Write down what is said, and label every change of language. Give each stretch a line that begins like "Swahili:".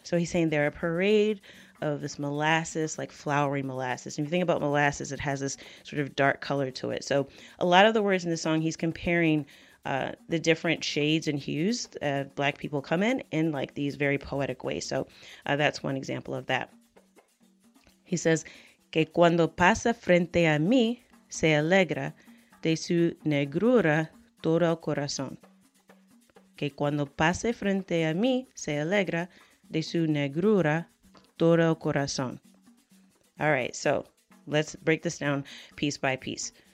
English: So he's saying they're a parade of this molasses, like flowery molasses. And if you think about molasses, it has this sort of dark color to it. So a lot of the words in the song, he's comparing the different shades and hues black people come in like these very poetic ways. So that's one example of that. He says,
Spanish: que cuando pasa frente a mí, se alegra de su negrura todo el corazón. Que cuando pase frente a mí, se alegra de su negrura todo el corazón.
English: All right, so let's break this down piece by piece.